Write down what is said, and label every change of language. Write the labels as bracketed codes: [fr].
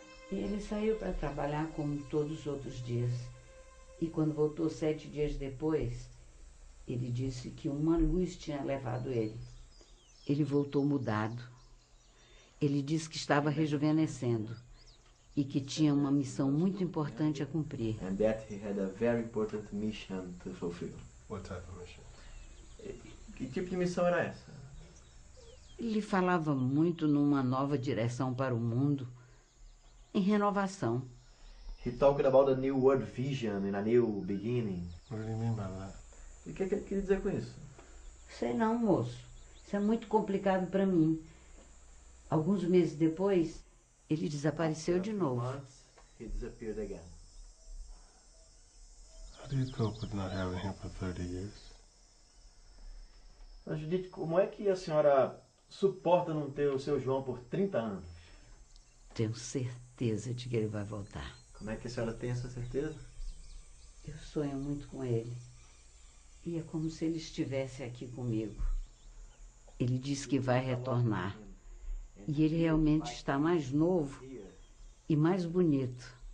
[pt] Ele saiu para trabalhar como todos os outros dias. E quando voltou 7 dias depois, ele disse que uma luz tinha levado ele. Ele voltou mudado. Ele disse que estava rejuvenescendo e que tinha uma missão muito importante a cumprir. [en] And that he had a very important mission to fulfill. What type of mission? [pt] Que tipo de missão era essa? Ele falava muito numa nova direção para o mundo, em renovação. [en] He talked about a new world vision and a new beginning. What do you mean by that? [pt] E o que ele queria dizer com isso? Sei não, moço. Isso é muito complicado para mim. Alguns meses depois, ele desapareceu de novo. [en] He disappeared again. How do you cope with not having him for 30 years? [pt] Mas, Judith, como é que a senhora suporta não ter o seu João por 30 anos? Tenho certeza de que ele vai voltar. Como é que a senhora tem essa certeza? Eu sonho muito com ele. E é como se ele estivesse aqui comigo. Ele disse que vai retornar. E ele realmente está mais novo e mais bonito